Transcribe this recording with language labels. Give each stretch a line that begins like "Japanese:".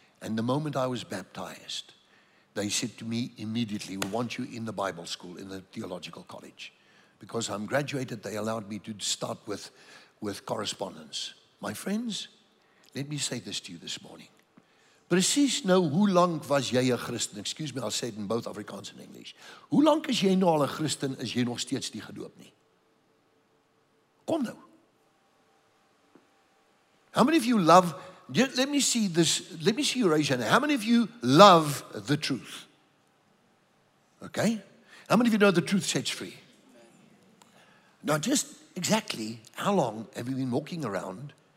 English: And the moment I was baptized, they said to me immediately, we want you in the Bible school, in the theological college. Because I'm graduated, they allowed me to start with correspondence. My friends, let me say this to you this morning.
Afrikaans: Precies nou, hoe lank was jy 'n Christen?
English: Excuse me, I'll say it in both Afrikaans and English.
Afrikaans: Hoe lank is jy nou al 'n Christen, is jy nog steeds nie gedoop nie? Kom nou.
English: How many of you love, let me see this, let me see you raise your hand. How many of you love the truth? Okay? How many of you know the truth sets free? Now just exactly how long have you been walking around